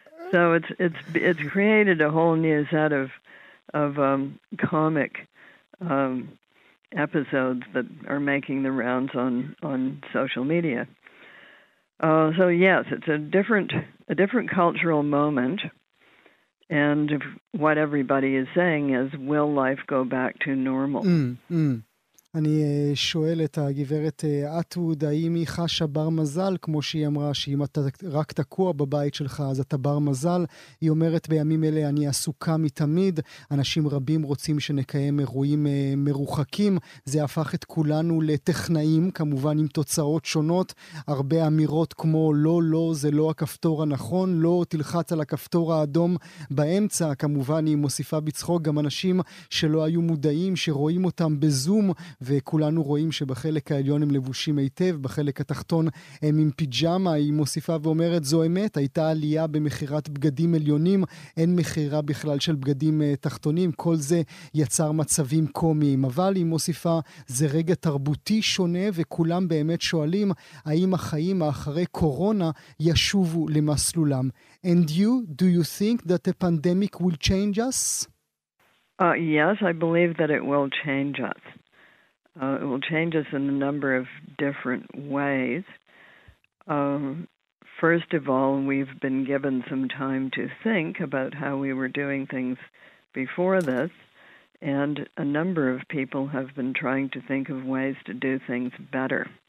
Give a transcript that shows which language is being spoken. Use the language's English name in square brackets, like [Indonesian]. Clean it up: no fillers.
[English] So it's created a whole new set of comic episodes that are making the rounds on social media. So yes, it's a different cultural moment, and what everybody is saying is, will life go back to normal? [Hebrew] אני שואל את הגברת אטווד, האם היא חשה בר מזל, כמו שהיא אמרה, שאם אתה רק תקוע בבית שלך, אז אתה בר מזל. היא אומרת, בימים אלה אני עסוקה מתמיד, אנשים רבים רוצים שנקיים אירועים מרוחקים, זה הפך את כולנו לטכנאים, כמובן עם תוצאות שונות, הרבה אמירות כמו, לא, לא, זה לא הכפתור הנכון, לא, תלחץ על הכפתור האדום באמצע, כמובן היא מוסיפה בצחוק, גם אנשים שלא היו מודעים, שרואים אותם בזום, וכולנו רואים שבחלק העליון הם לבושים היטב, בחלק התחתון הם עם פיג'אמה, היא מוסיפה ואומרת, זו אמת, הייתה עלייה במחירת בגדים עליונים, אין מחירה בכלל של בגדים תחתונים, כל זה יצר מצבים קומיים, אבל היא מוסיפה, זה רגע תרבותי שונה, וכולם באמת שואלים, האם החיים האחרי קורונה ישובו למסלולם. [English] And you, do you think that the pandemic will change us? Yes, I believe that it will change us. It will change us in a number of different ways. First of all, we've been given some time to think about how we were doing things before this, and a number of people have been trying to think of ways to do things better.